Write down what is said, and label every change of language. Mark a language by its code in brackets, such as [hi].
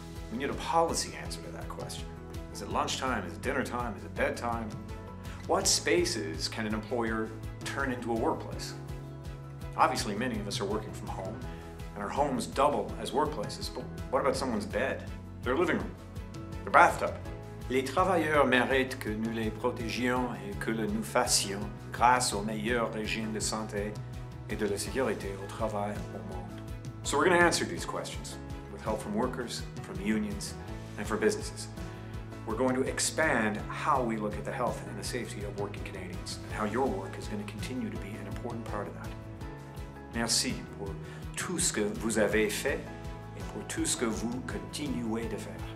[en] We need a policy answer to that question. Is it lunchtime? Is it dinner time? Is it bedtime? What spaces can an employer turn into a workplace? Obviously, many of us are working from home, and our homes double as workplaces, but what about someone's bed, their living room, their bathtub? [fr] Les travailleurs méritent que nous les protégions et que le nous fassions grâce au meilleur régime de santé et de la sécurité au travail au monde. [en] So we're going to answer these questions with help from workers, from unions, and from businesses. We're going to expand how we look at the health and the safety of working Canadians and how your work is going to continue to be an important part of that. [fr] Merci pour tout ce que vous avez fait et pour tout ce que vous continuez de faire.